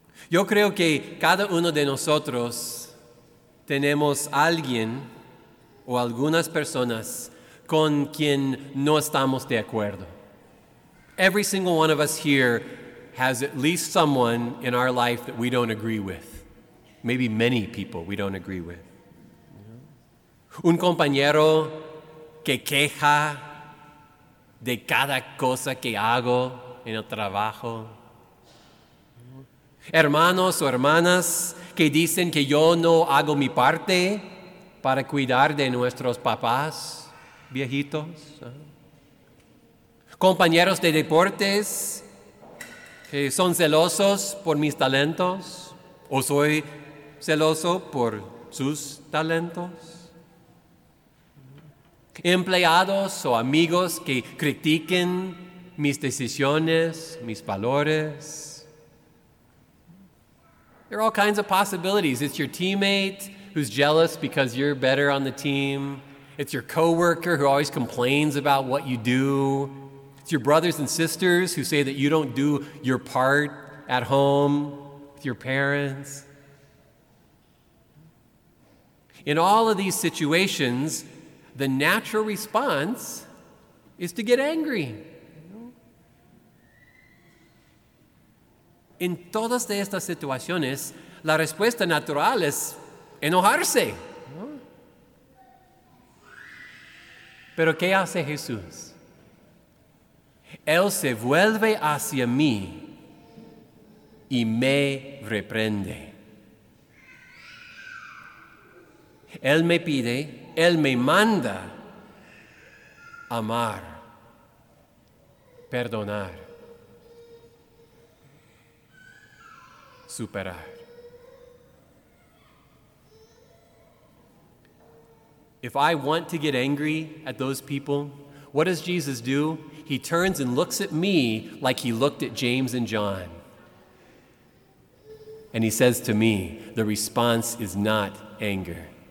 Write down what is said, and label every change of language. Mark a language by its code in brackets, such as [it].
[es] Yo creo que cada uno de nosotros tenemos alguien o algunas personas con quien no estamos de acuerdo. [en] Every single one of us here has at least someone in our life that we don't agree with. Maybe many people we don't agree with. [es] Un compañero que queja de cada cosa que hago en el trabajo. Hermanos o hermanas que dicen que yo no hago mi parte para cuidar de nuestros papás viejitos. Compañeros de deportes que son celosos por mis talentos o soy celoso por sus talentos. Empleados o amigos que critiquen mis decisiones, mis valores. [en] There are all kinds of possibilities. It's your teammate who's jealous because you're better on the team. It's your coworker who always complains about what you do. It's your brothers and sisters who say that you don't do your part at home with your parents. In all of these situations, the natural response is to get angry. [es] En todas estas situaciones, la respuesta natural es enojarse. Pero ¿qué hace Jesús? Él se vuelve hacia mí y me reprende. Él me pide, Él me manda amar, perdonar, superar. [en] If I want to get angry at those people, what does Jesus do? He turns and looks at me like he looked at James and John. And he says to me, the response is not anger.